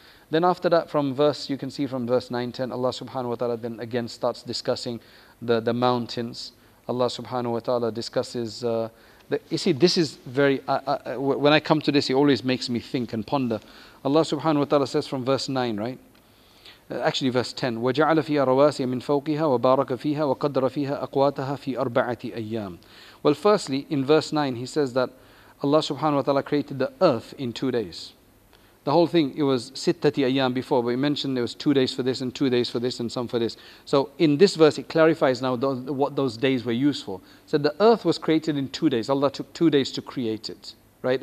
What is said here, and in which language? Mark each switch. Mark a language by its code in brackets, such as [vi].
[en] Then after that, from verse, you can see from verse 9-10, Allah subhanahu wa ta'ala then again starts discussing the mountains. Allah subhanahu wa ta'ala discusses, you see, this is very, when I come to this, it always makes me think and ponder. Allah subhanahu wa ta'ala says from verse 9, right? Actually, verse 10, [ar] وَجَعَلَ فِيهَا رَوَاسِيَ مِنْ فَوْقِهَا وَبَارَكَ فِيهَا وَقَدَّرَ فِيهَا أَقْوَاتَهَا فِي أَرْبَعَةِ أَيَّامٍ. [en] Well, firstly, in verse 9, he says that Allah subhanahu wa ta'ala created the earth in 2 days. The whole thing, it was sittati ayyam before, but he mentioned there was 2 days for this and 2 days for this and some for this. So in this verse, it clarifies now what those days were used for. So the earth was created in 2 days. Allah took 2 days to create it, right?